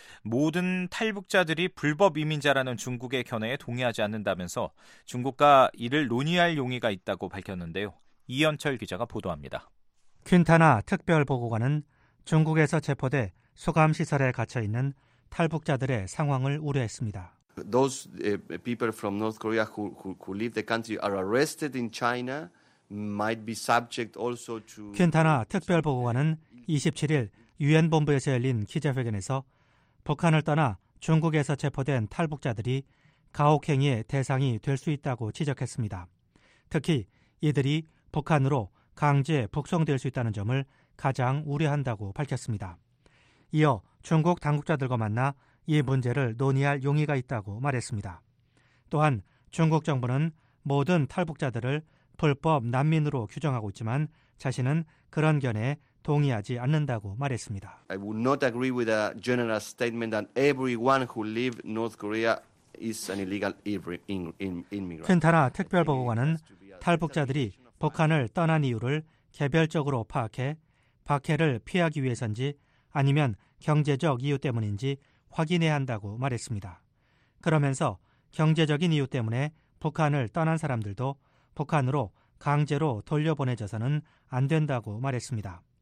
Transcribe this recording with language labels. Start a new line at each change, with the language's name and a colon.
Korean: 모든 탈북자들이 불법 이민자라는 중국의 견해에 동의하지 않는다면서 중국과 이를 논의할 용의가 있다고 밝혔는데요. 이현철 기자가 보도합니다. 퀸타나 특별보고관은 중국에서 체포돼 수감시설에 갇혀있는 탈북자들의 상황을 우려했습니다.
English: Those people from North Korea who leave the country are arrested in China might be subject also to.
Korean: 퀸타나 특별보고관은 27일 유엔 본부에서 열린 기자회견에서 북한을 떠나 중국에서 체포된 탈북자들이 가혹행위의 대상이 될 수 있다고 지적했습니다. 특히 이들이 북한으로 강제 북송될 수 있다는 점을 가장 우려한다고 밝혔습니다. 이어 중국 당국자들과 만나 이 문제를 논의할 용의가 있다고 말했습니다. 또한 중국 정부는 모든 탈북자들을 불법 난민으로 규정하고 있지만 자신은 그런 견해에 동의하지 않는다고 말했습니다.
English: I would not agree with a general statement that everyone who lives in North Korea is an illegal immigrant.
Korean: 퀸타나 특별보고관은 탈북자들이 북한을 떠난 이유를 개별적으로 파악해 박해를 피하기 위해서인지 아니면 경제적 이유 때문인지 확인해야 한다고 말했습니다. 그러면서 경제적인 이유 때문에 북한을 떠난 사람들도 북한으로 강제로 돌려보내져서는 안 된다고 말했습니다.